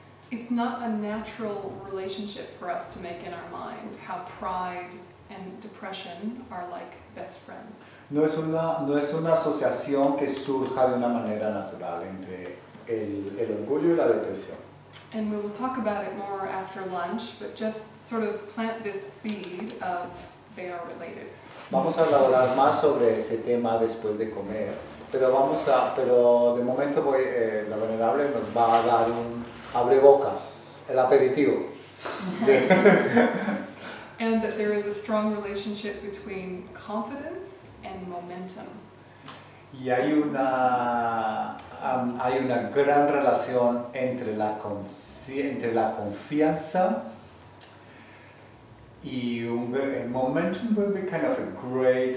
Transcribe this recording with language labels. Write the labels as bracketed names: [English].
[English] It's not a natural relationship for us to make in our mind how pride and depression are like best friends. [Spanish] No es una asociación que surja de una manera natural entre el orgullo y la depresión. [English] And we will talk about it more after lunch, but just sort of plant this seed of they are related. [Spanish] Vamos a hablar más sobre ese tema después de comer, pero de momento voy la venerable nos va a dar un abre bocas, el aperitivo. [English] And that there is a strong relationship between confidence and momentum. [Spanish] Y hay una gran relación entre la confianza y el momentum [English] will be kind of a great...